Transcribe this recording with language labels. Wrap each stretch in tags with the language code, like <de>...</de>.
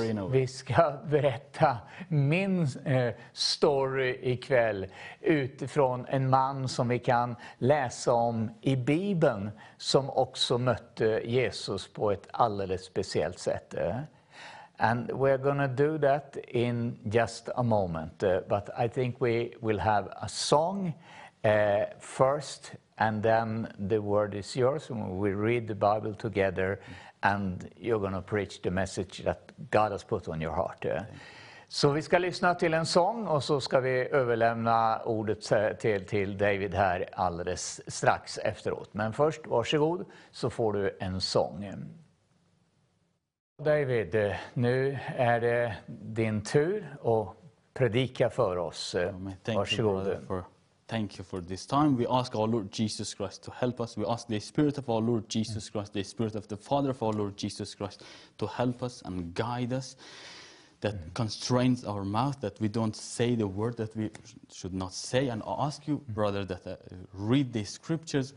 <sv>Vi ska berätta min story ikväll utifrån en man som vi kan läsa om i Bibeln som också mötte Jesus på ett alldeles speciellt sätt.</sv> <en>And we're going to do that in just a moment. But I think we will have a song first, and then the word is yours. And we read the Bible together, and you're going to preach the message that God has put on your heart.</en> <sv>Så vi ska lyssna till en sång och så ska vi överlämna ordet till David här alldeles strax efteråt. Men först, varsågod, så får du en sång. David, nu är det din tur att predika för oss. Varsågod.</sv> <en>Thank you for this time. We ask our Lord Jesus Christ to help us. We ask the Spirit of our Lord Jesus Christ, the Spirit of the Father of our Lord Jesus Christ to help us and guide us. That constrains our mouth, that we don't say the word that we should not say. And I ask you, brother, that read the scriptures.</en>